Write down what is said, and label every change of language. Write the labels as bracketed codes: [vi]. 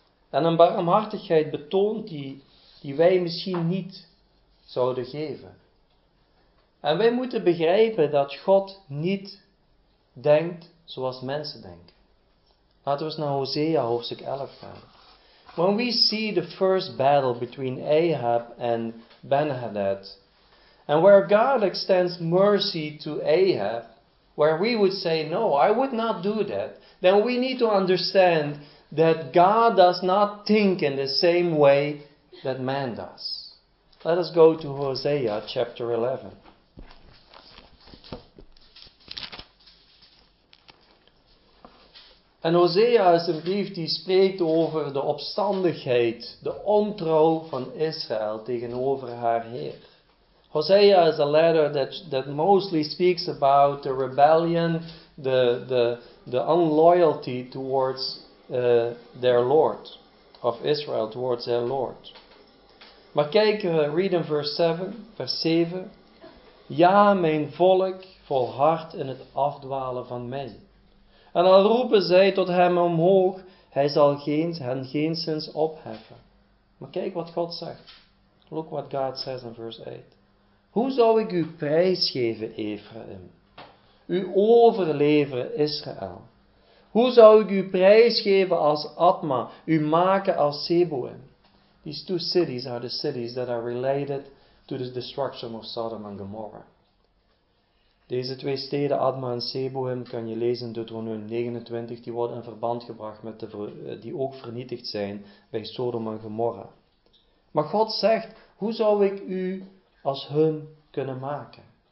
[nl] En een barmhartigheid betoont die wij misschien niet zouden geven. En wij moeten begrijpen dat God niet denkt zoals mensen denken. Laten we eens naar Hosea hoofdstuk 11 gaan. [en] When we see the first battle between Ahab and Ben-Hadad, and where God extends mercy to Ahab, where we would say, no, I would not do that, then we need to understand that God does not think in the same way that man does. Let us go to Hosea chapter 11. [nl] En Hosea is een brief die spreekt over de opstandigheid, de ontrouw van Israël tegenover haar Heer. [en] Hosea is a letter that mostly speaks about the rebellion, the unloyalty towards their Lord, of Israel, towards their Lord. [nl] Maar kijk, read in vers 7. Ja, mijn volk volhardt in het afdwalen van mij. En al roepen zij tot hem omhoog, hij zal hen geenszins opheffen. Maar kijk wat God zegt. [en] Look what God says in verse 8. [nl] Hoe zou ik u prijs geven, Ephraim? U overleveren, Israël. Hoe zou ik u prijs geven als Adma, u maken als Zeboim? [en] These two cities are the cities that are related to the destruction of Sodom and Gomorrah. [nl] Deze twee steden, Adma en Zeboim, kan je lezen in Deuteronomium 29, die worden in verband gebracht met die ook vernietigd zijn bij Sodom en Gomorra. Maar God zegt, hoe zou ik u als hun kunnen maken?